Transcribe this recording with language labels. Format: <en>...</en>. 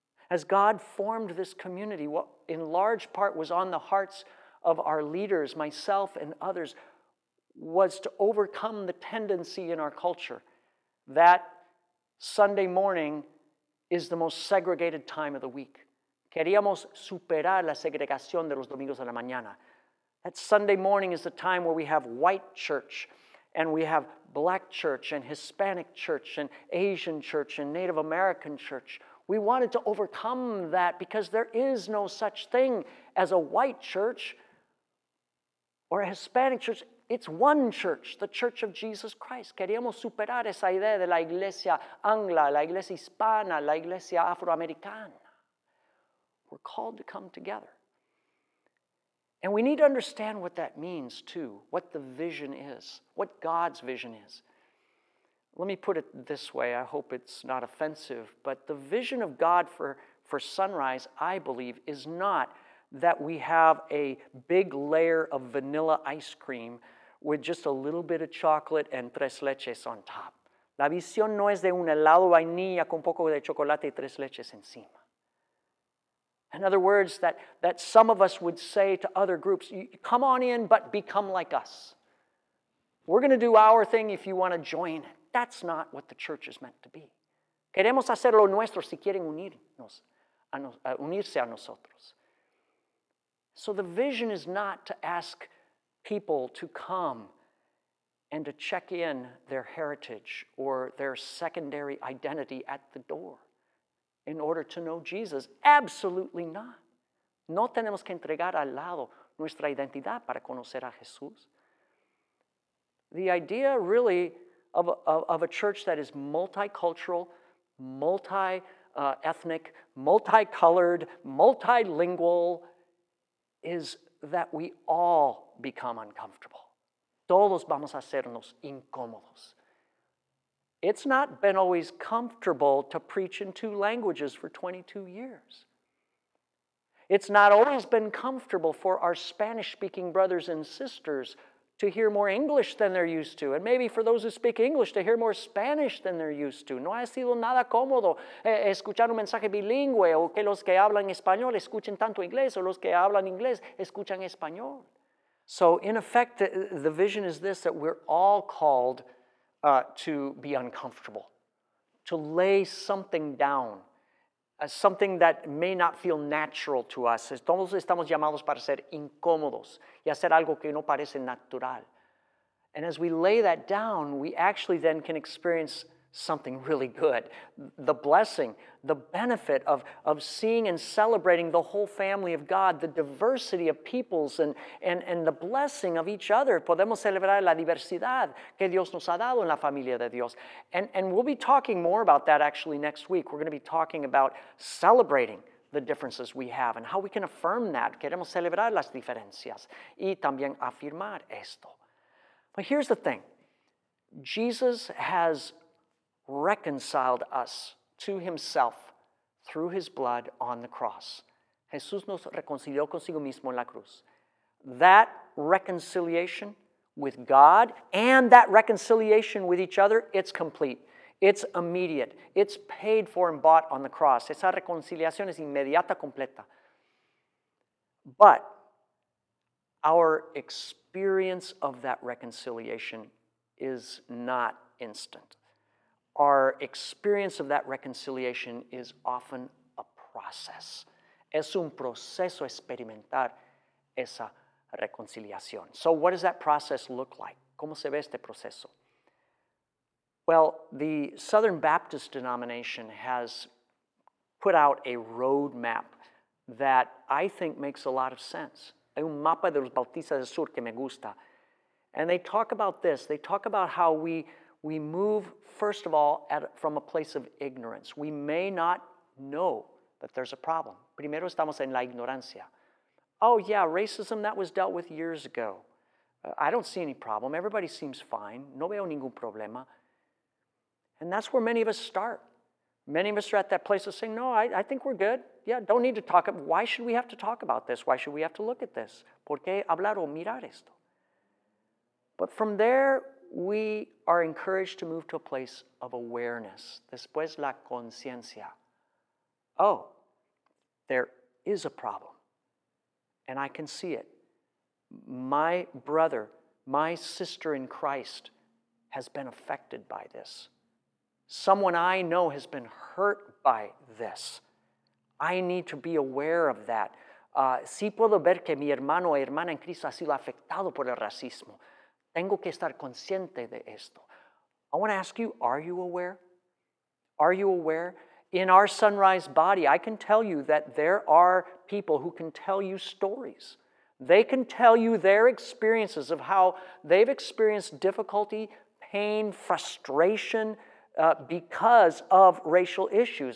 <en>As God formed this community, what in large part was on the hearts of our leaders, myself and others, was to overcome the tendency in our culture that Sunday morning is the most segregated time of the week.</en> <es>Queríamos superar la segregación de los domingos de la mañana.</es> <en>That Sunday morning is the time where we have white church and we have black church and Hispanic church and Asian church and Native American church. We wanted to overcome that because there is no such thing as a white church or a Hispanic church. It's one church, the Church of Jesus Christ.</en> <es>Queríamos superar esa idea de la iglesia angla, la iglesia hispana, la iglesia afroamericana.</es> <en>We're called to come together. And we need to understand what that means too, what the vision is, what God's vision is. Let me put it this way, I hope it's not offensive, but the vision of God for Sunrise, I believe, is not that we have a big layer of vanilla ice cream with just a little bit of chocolate and tres leches on top.</en> <es>La visión no es de un helado vainilla con poco de chocolate y tres leches encima.</es> <en>In other words, that some of us would say to other groups, come on in, but become like us. We're going to do our thing if you want to join. That's not what the church is meant to be.</en> <es>Queremos hacer lo nuestro si quieren unirse a nosotros.</es> <en>So the vision is not to ask people to come and to check in their heritage or their secondary identity at the door in order to know Jesus. Absolutely not.</en> <es>No tenemos que entregar al lado nuestra identidad para conocer a Jesús.</es> <en>The idea really of a church that is multicultural, multi-ethnic, multicolored, multilingual is that we all become uncomfortable.</en> <es>Todos vamos a hacernos incómodos.</es> <en>It's not been always comfortable to preach in two languages for 22 years. It's not always been comfortable for our Spanish-speaking brothers and sisters to hear more English than they're used to, and maybe for those who speak English to hear more Spanish than they're used to.</en> <es>No ha sido nada cómodo escuchar un mensaje bilingüe o que los que hablan español escuchen tanto inglés o los que hablan inglés escuchan español.</es> <en>So in effect, the vision is this, that we're all called to be uncomfortable, to lay something down, something that may not feel natural to us.</en> <es>Todos estamos llamados para ser incómodos y hacer algo que no parece natural.</es> <en>And as we lay that down, we actually then can experience something really good. The blessing, the benefit of seeing and celebrating the whole family of God, the diversity of peoples and the blessing of each other.</en> <es>Podemos celebrar la diversidad que Dios nos ha dado en la familia de Dios.</es> <en>And we'll be talking more about that actually next week. We're going to be talking about celebrating the differences we have and how we can affirm that.</en> <es>Queremos celebrar las diferencias y también afirmar esto.</es> <en>But here's the thing. Jesus has reconciled us to himself through his blood on the cross.</en> <es>Jesús nos reconcilió consigo mismo en la cruz.</es> <en>That reconciliation with God and that reconciliation with each other, it's complete. It's immediate. It's paid for and bought on the cross.</en> <es>Esa reconciliación es inmediata, completa.</es> <en>But our experience of that reconciliation is not instant. Our experience of that reconciliation is often a process.</en> <es>Es un proceso experimentar esa reconciliación.</es> <en>So what does that process look like?</en> <es>¿Cómo se ve este proceso?</es> <en>Well, the Southern Baptist denomination has put out a roadmap that I think makes a lot of sense.</en> <es>Hay un mapa de los bautistas del sur que me gusta.</es> <en>And they talk about this. They talk about how we move, first of all, from a place of ignorance. We may not know that there's a problem.</en> <es>Primero estamos en la ignorancia.</es> <en>Oh, yeah, racism, that was dealt with years ago. I don't see any problem. Everybody seems fine.</en> <es>No veo ningún problema.</es> <en>And that's where many of us start. Many of us are at that place of saying, no, I think we're good. Yeah, don't need to talk. Why should we have to talk about this? Why should we have to look at this?</en> <es>¿Por qué hablar o mirar esto?</es> <en>But from there, we are encouraged to move to a place of awareness.</en> <es>Después, la conciencia.</es> <en>Oh, there is a problem. And I can see it. My brother, my sister in Christ has been affected by this. Someone I know has been hurt by this. I need to be aware of that.</en> <es>Sí puedo ver que mi hermano o hermana en Cristo ha sido afectado por el racismo. Tengo que estar consciente de esto.</es> <en>I want to ask you, are you aware? Are you aware? In our Sunrise body, I can tell you that there are people who can tell you stories. They can tell you their experiences of how they've experienced difficulty, pain, frustration, because of racial issues.</en>